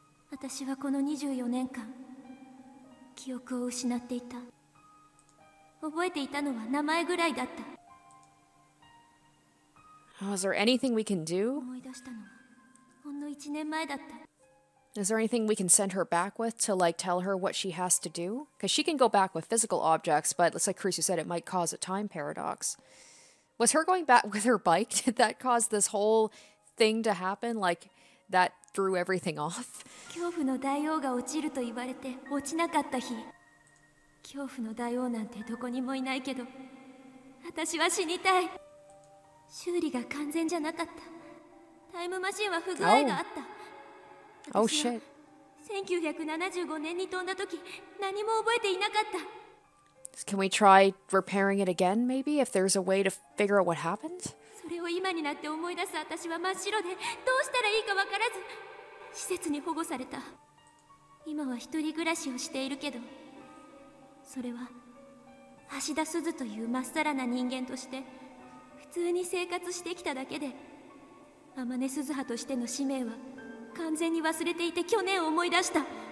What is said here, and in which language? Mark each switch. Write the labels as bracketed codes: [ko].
[ja] 私はこの24年間、記憶を失っていた。覚えていたのは名前ぐらいだった。 [en] Oh, is there anything we can do? [ja] 思い出したのはほんの1年前だった。 [en] Is there anything we can send her back with to, like, tell her what she has to do? Because she can go back with physical objects, but it's like Chrisu said, it might cause a time paradox. Was her going back with her bike? Did that cause this whole thing to happen? Like, that threw everything off? [ja] 恐怖の大王が落ちると言われて落ちなかった日。恐怖の大王なんてどこにもいないけど、私は死にたい。修理が完全じゃなかった。タイムマシンは不具合があった。 [en] Oh. Oh, shit. [ja] 1975年に飛んだ時、何も覚えていなかった。 [en] Can we try repairing it again, maybe? If there's a way to figure out what happened? [ja] それを今になって思い出す私は真っ白で、どうしたらいいか分からず、施設に保護された。今は一人暮らしをしているけど、それは、橋田鈴という真っさらな人間として、普通に生活してきただけで、天音鈴葉としての使命は、完全に忘れていて去年思い出した。